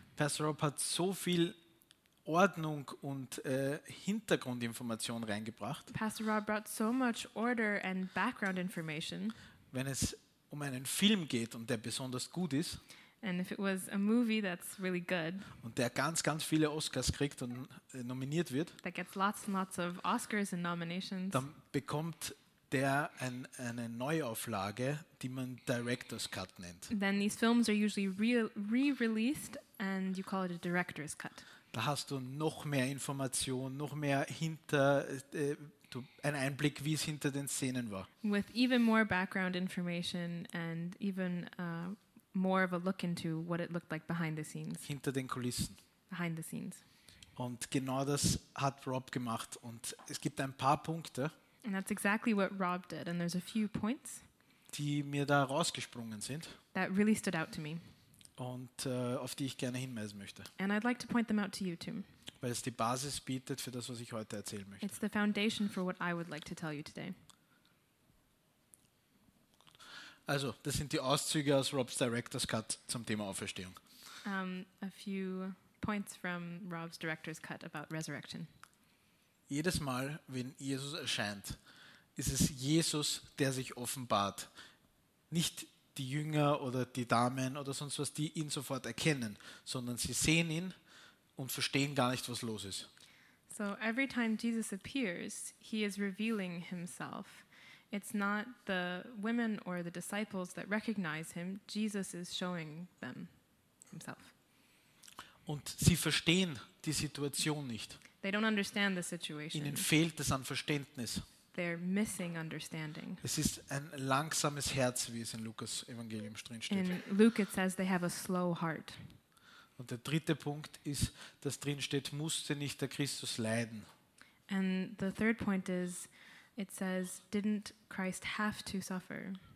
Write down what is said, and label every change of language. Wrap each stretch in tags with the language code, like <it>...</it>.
<de>Pastor Rob hat so viel Ordnung und Hintergrundinformation reingebracht.</de> <en>Pastor Rob brought so much order and background information.</en> <de>Wenn es um einen Film geht und der besonders gut ist.</de> <en>And if it was a movie that's really good.</en> <de>Und der ganz, ganz viele Oscars kriegt und nominiert wird.</de> <en>That gets lots and lots of Oscars and nominations.</en> <de>Dann bekommt der eine Neuauflage, die man Director's Cut nennt.</de> <en>Then these films are usually re-released and you call it a Director's Cut.</en> <de>Da hast du noch mehr Informationen, noch mehr hinter, einen Einblick, wie es hinter den Szenen war.</de> <en>With even more background information and even more of a look into what it looked like behind the scenes.</en> <de>Hinter den Kulissen.</de> <en>Behind the scenes.</en> <de>Und genau das hat Rob gemacht und es gibt ein paar Punkte.</de> <en>And that's exactly what Rob did. And there's a few points,</en> <de>die mir da rausgesprungen sind,</de> <en>that really stood out to me.</en> <de>Und auf die ich gerne hinweisen möchte.</de> <en>And I'd like to point them out to you too.</en> <de>Weil es die Basis bietet für das, was ich heute erzählen möchte.</de> <en>It's the foundation for what I would like to tell you today.</en> <de>Also, das sind die Auszüge aus Rob's Director's Cut zum Thema Auferstehung.</de> <en>A few points from Rob's Director's Cut about resurrection.</en> <de>Jedes Mal, wenn Jesus erscheint, ist es Jesus, der sich offenbart. Nicht die Jünger oder die Damen oder sonst was, die ihn sofort erkennen, sondern sie sehen ihn und verstehen gar nicht, was los ist.</de> <en>So every time Jesus appears, he is revealing himself. It's not the women or the disciples that recognize him. Jesus is showing them himself.</en> <de>Und sie verstehen die Situation nicht.</de> <en>They don't understand the situation.</en> <de>Ihnen fehlt es an Verständnis.</de> <en>They're missing understanding.</en> <de>Es ist ein langsames Herz, wie es in Lukas Evangelium drin steht.</de> <en>In Luke it says they have a slow heart.</en> <de>Und der dritte Punkt ist, dass drin steht, musste nicht der Christus leiden.</de> <en>And the third point is, it says, didn't Christ have to suffer?</en>